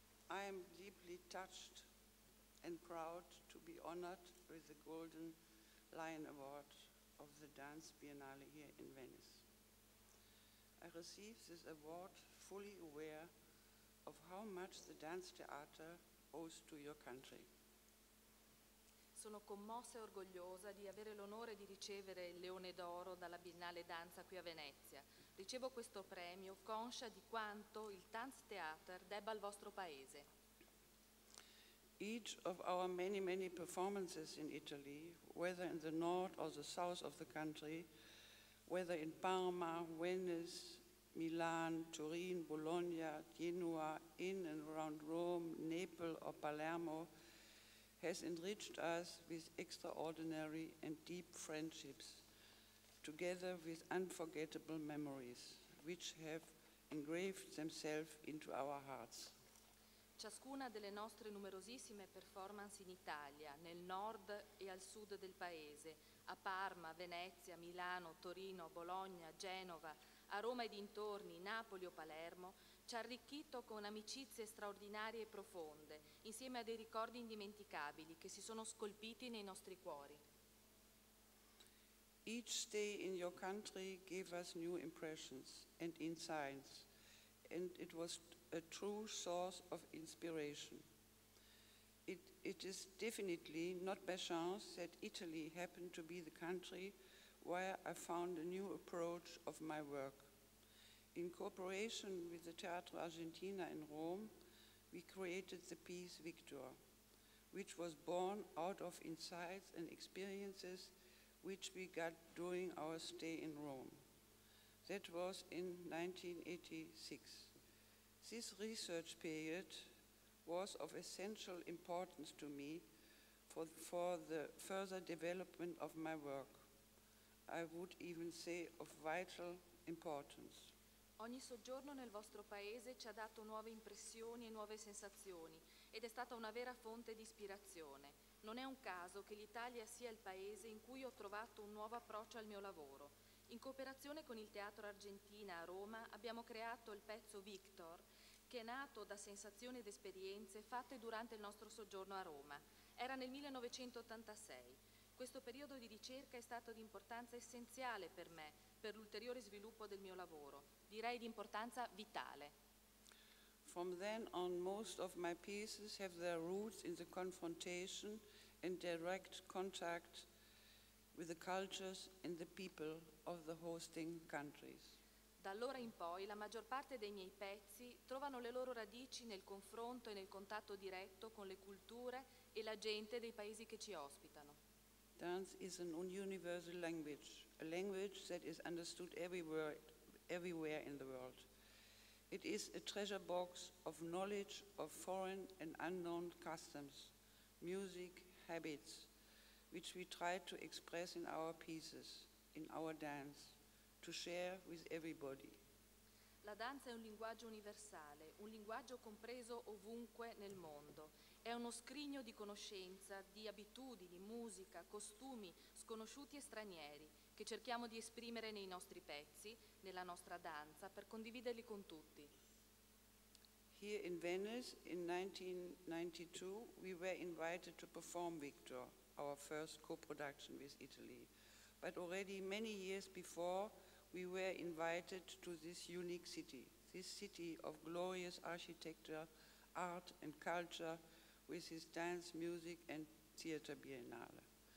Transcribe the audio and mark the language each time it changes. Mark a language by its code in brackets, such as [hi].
[en] I am deeply touched and proud to be honored with the Golden Lion Award of the Dance Biennale here in Venice. I received this award fully aware of how much the dance theater owes to your country. [it] Sono commossa e orgogliosa di avere l'onore di ricevere il Leone d'Oro dalla Biennale Danza qui a Venezia. Ricevo questo premio conscia di quanto il Tanztheater debba al vostro paese. [en] Each of our many, many performances in Italy, whether in the north or the south of the country, whether in Parma, Venice, Milan, Turin, Bologna, Genoa, in and around Rome, Naples or Palermo, has enriched us with extraordinary and deep friendships, together with unforgettable memories, which have engraved themselves into our hearts. [it] Ciascuna delle nostre numerosissime performance in Italia, nel nord e al sud del paese, a Parma, Venezia, Milano, Torino, Bologna, Genova, a Roma e dintorni, Napoli o Palermo, ci ha arricchito con amicizie straordinarie e profonde, insieme a dei ricordi indimenticabili che si sono scolpiti nei nostri cuori. [en] Each stay in your country gave us new impressions and insights, and it was a true source of inspiration. It is definitely not by chance that Italy happened to be the country where I found a new approach of my work. In cooperation with the Teatro Argentina in Rome, we created the piece Victor, which was born out of insights and experiences which we got during our stay in Rome. That was in 1986. This research period was of essential importance to me for the further development of my work. I would even say of vital importance. [it] Ogni soggiorno nel vostro paese ci ha dato nuove impressioni e nuove sensazioni ed è stata una vera fonte di ispirazione. Non è un caso che l'Italia sia il paese in cui ho trovato un nuovo approccio al mio lavoro. In cooperazione con il Teatro Argentina a Roma abbiamo creato il pezzo Victor, che è nato da sensazioni ed esperienze fatte durante il nostro soggiorno a Roma. Era nel 1986. Questo periodo di ricerca è stato di importanza essenziale per me, per l'ulteriore sviluppo del mio lavoro. Direi di importanza vitale. [en] From then on, most of my pieces have their roots in the confrontation and direct contact with the cultures and the people of the hosting countries. [it] Da allora in poi, la maggior parte dei miei pezzi trovano le loro radici nel confronto e nel contatto diretto con le culture e la gente dei paesi che ci ospitano. [en] Dance is an universal language, a language that is understood everywhere in the world. It is a treasure box of knowledge of foreign and unknown customs, music, habits, which we try to express in our pieces, in our dance, to share with everybody. [it] La danza è un linguaggio universale, un linguaggio compreso ovunque nel mondo. È uno scrigno di conoscenza, di abitudini, musica, costumi, sconosciuti e stranieri, che cerchiamo di esprimere nei nostri pezzi, nella nostra danza, per condividerli con tutti. [en] Here in Venice, in 1992, we were invited to perform Victor, our first co-production with Italy. But already many years before, we were invited to this unique city, this city of glorious architecture, art and culture, with its dance, music and theater biennale.